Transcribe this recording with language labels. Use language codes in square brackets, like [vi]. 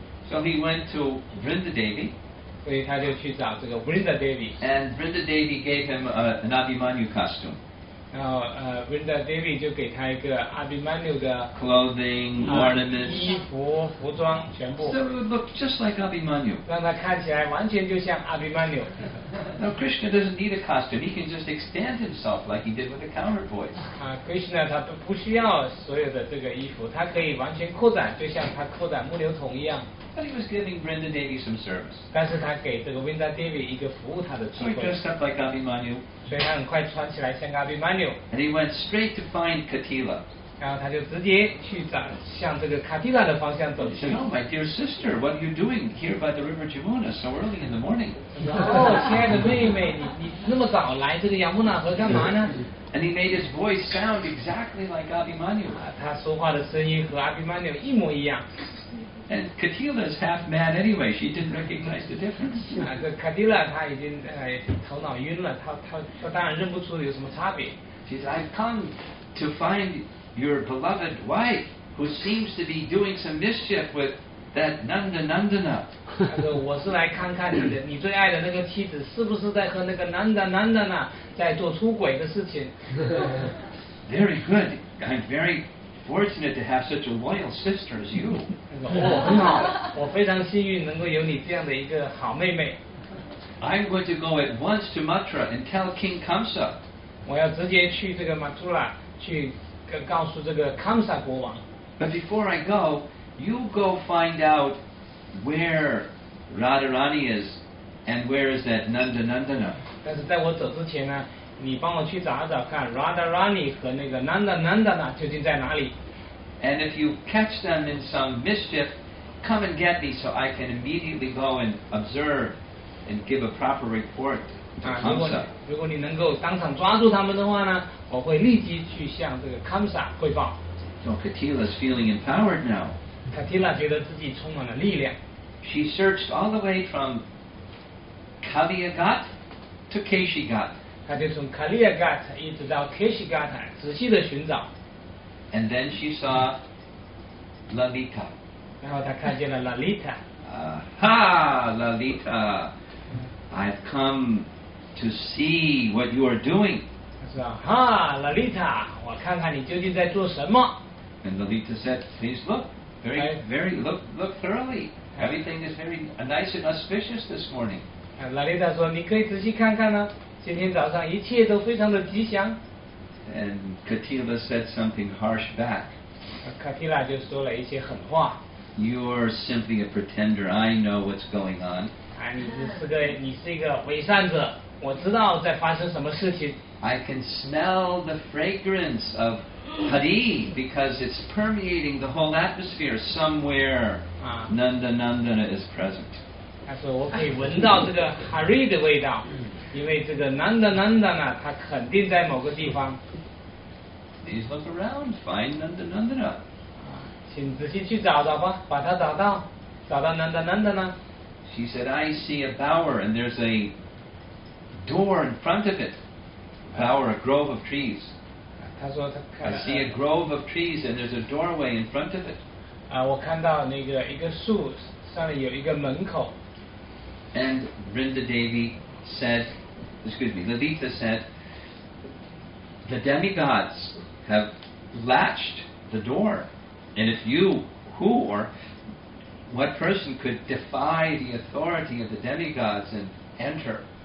[en] So he went to Vrindadevi. [zh] 所以他就去找这个 Vrinda Devi. [en] And Vrinda Devi gave him an Abhimanyu costume. [zh] 然后Vrinda Devi 就给他一个 Abhimanyu 的 [en] clothing, ornaments, [zh] 衣服、服装全部。 [en] So it looked just like Abhimanyu. [zh] 让他看起来完全就像 Abhimanyu. [en] Now Krishna doesn't need a costume. He can just expand himself like he did with the counterpoise. [zh] Krishna 他不需要所有的这个衣服，他可以完全扩展，就像他扩展木牛桶一样。 [en] But he was giving Vrinda Devi some service. [zh] 但是他给这个 Vrinda Devi 一个服务他的机会。 [en] So he dressed up like Abhimanyu. [zh] 所以他很快穿起来像 Abhimanyu. [en] And he went straight to find Katila. [zh] 然后他就直接去找向这个 Katila 的方向走去。 [en] He said, "Oh, my dear sister, what are you doing here by the river Yamuna so early in the morning?" [zh] 哦，亲爱的妹妹，你那么早来这个 Yamuna 河干嘛呢？ [en] And he made his voice sound exactly like Abhimanyu. [zh] 他说话的声音和 Abhimanyu 一模一样。 [en] And Katila is half mad anyway. She didn't recognize the difference. [zh] Katila, 她已经头脑晕了，她当然认不出有什么差别。 [en] She says, "I've come to find your beloved wife, who seems to be doing some mischief with that Nanda Nandana." [zh] 她说，我是来看看你最爱的那个妻子是不是在和那个 Nanda Nandana 在做出轨的事情。 [en] Very good. I'm very. Fortunate to have such a loyal sister as you. [zh] 很好，我非常幸运能够有你这样的一个好妹妹。 [en] I'm going to go at once to Mathura and tell King Kamsa. [zh] 我要直接去这个 Mathura 去告诉这个 Kamsa 国王。 [en] But before I go, you go find out where Radharani is and where is that Nanda Nandana. [zh] 但是在我走之前呢。你帮我去找找看 Radharani 和那个 Nanda Nandana 究竟在哪里。 [en] And if you catch them in some mischief, come and get me so I can immediately go and observe and give a proper report to Kamsa. [zh] 如果你能够当场抓住他们的话呢，我会立即去向这个 Kamsa 汇报。 [en] So Katila is feeling empowered now. [zh] Katila 觉得自己充满了力量。 [en] She searched all the way from Kaliyagat to Keshigat. [zh] 他就从 Kaliyagat 一直到 Keshigat 仔细地寻找。 [en] And then she saw Lalita. [zh] 然后他看见了 Lalita. [en] Ha, Lalita, I've come to see what you are doing. [zh] 他说哈 Lalita, 我看看你究竟在做什么。 [en] And Lalita said, please look, very, very, look thoroughly. Everything is very nice and auspicious this morning. [zh] Lalita 说你可以仔细看看呢。今天早上一切都非常的吉祥。 [en] And Katila said something harsh back. [zh] Katila 就说了一些狠话。 [en] You're simply a pretender. I know what's going on. [zh] 啊，你是一个伪善者。我知道在发生什么事情。 [en] I can smell the fragrance of Hari because it's permeating the whole atmosphere somewhere. Nanda Nandana is present. [zh] 他说我可以闻到这个 Hari 的味道。因为这个 Nanda Nandana 他肯定在某个地方。 [en] Please look around, find Nanda Nandana. [zh] 请仔细去找找吧，把他找到，找到 Nanda Nandana。 [en] She said, "I see a bower and there's a door in front of it. Bower, a grove of trees." [zh] 他说他看。 [en] I see a grove of trees and there's a doorway in front of it. [zh] 我看到那个一个树上面有一个门口。 [en] And Vrinda Devi. Said, excuse me, Lalita said, the demigods have latched the door. And if you, who or what person could defy the authority of the demigods and enter?